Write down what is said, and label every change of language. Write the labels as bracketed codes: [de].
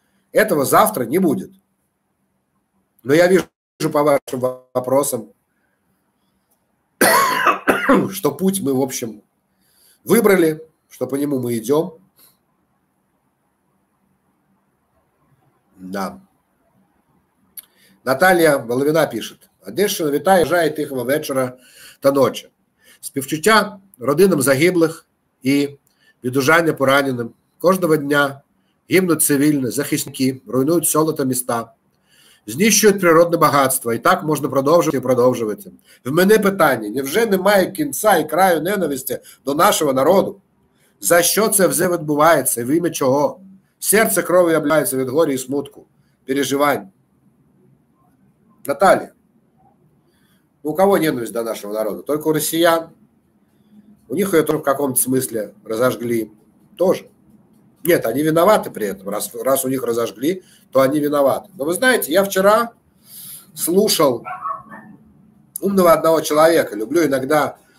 [ru] Этого завтра не будет. Но я вижу по вашим вопросам, что путь мы, в общем, выбрали, что по нему мы идем. Да. Наталья Воловина пишет. [uk] Одещина, вітаю, бажаю тихого вечора та ночі. Співчуття родинам загиблих і відужання пораненим. Кожного дня гинуть цивільні, захисники, руйнують села та міста, знищують природне багатство. І так можна продовжувати і продовжувати. В мене питання. Невже немає кінця і краю ненависті до нашого народу? За що це все відбувається? В ім'я чого? Серце крові обливається від горя і смутку, переживань. Наталія. [ru] У кого ненависть до нашего народа? Только у россиян. У них ее тоже в каком-то смысле разожгли. Тоже. Нет, они виноваты при этом. Раз у них разожгли, то они виноваты. Но вы знаете, я вчера слушал умного одного человека. Люблю иногда...